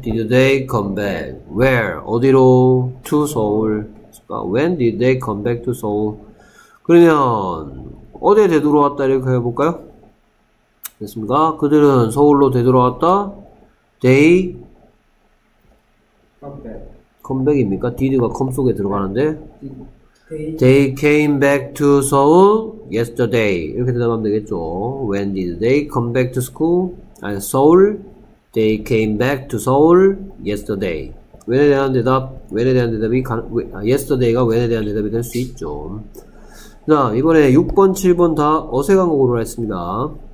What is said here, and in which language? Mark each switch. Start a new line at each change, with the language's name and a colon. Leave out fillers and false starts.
English: Did they come back? Where?
Korean: 어디로?
English: To 서울. When did they come back to Seoul?
Korean: 그러면 어디에 되돌아왔다 이렇게 해볼까요? 됐습니까? 그들은 서울로 되돌아왔다.
English: They comeback
Korean: 입니까?
English: Did가 come
Korean: 속에 들어가는데
English: They came back to Seoul yesterday.
Korean: 이렇게 대답하면 되겠죠.
English: When did they come back to school? 아니, Seoul. They came back to Seoul yesterday.
Korean: When에 대한 대답, when에 대한 대답이, 가, yesterday가 when에 대한 대답이 될수 있죠. 자, 이번에 6번, 7번 다 어색한 거 고르라 했습니다.